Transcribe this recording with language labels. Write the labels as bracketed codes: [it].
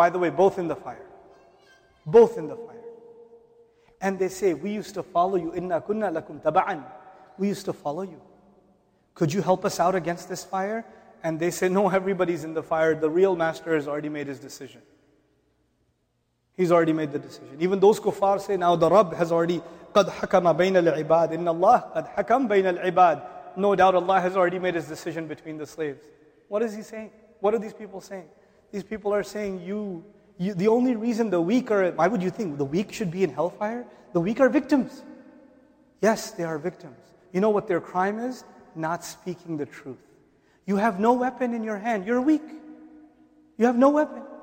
[en] By the way, both in the fire. Both in the fire. And they say, we used to follow you. [ar] Inna kunna lakum taba'an. [en] We used to follow you. Could you help us out against this fire? And they say, no, everybody's in the fire. The real master has already made his decision. He's already made the decision. Even those kuffar say, now the Rabb has already, [ar] قَدْ حَكَمَ بَيْنَ الْعِبَادِ إِنَّ اللَّهِ قَدْ حَكَمْ بَيْنَ الْعِبَادِ. [en] No doubt Allah has already made his decision between the slaves. What is he saying? What are these people saying? These people are saying, you, the only reason the weak are, why would you think the weak should be in hellfire? The weak are victims. Yes, they are victims. You know what their crime is? Not speaking the truth. You have no weapon in your hand. You're weak. You have no weapon.